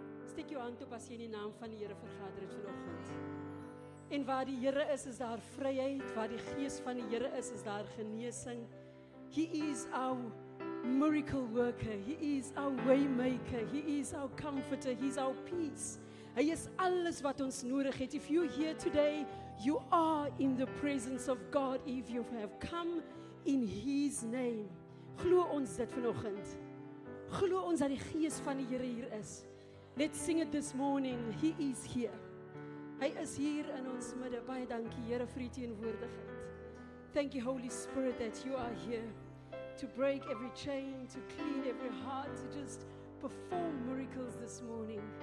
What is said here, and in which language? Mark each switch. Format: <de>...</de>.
<af>Steek jou hand op as jy in die naam van die Here vergader het vanoggend. En waar die Here is, is daar vryheid. Waar die gees van die Here is, is daar genesing.</af> <en>He is our miracle worker. He is our way maker. He is our comforter. He is our peace.</en> <af>Hy is alles wat ons nodig het.</af> <en>If you're here today, you are in the presence of God. If you have come in His name.</en> <af>Glo ons dit vanoggend. Glo ons dat die gees van die Here hier is.</af> <en>Let's sing it this morning. He is here.</en> <af>Hy is hier in ons midde. Baie dankie, Here, vir die teenwoordigheid.</af> <en>Thank you, Holy Spirit, that you are here to break every chain, to clean every heart, to just perform miracles this morning.</en>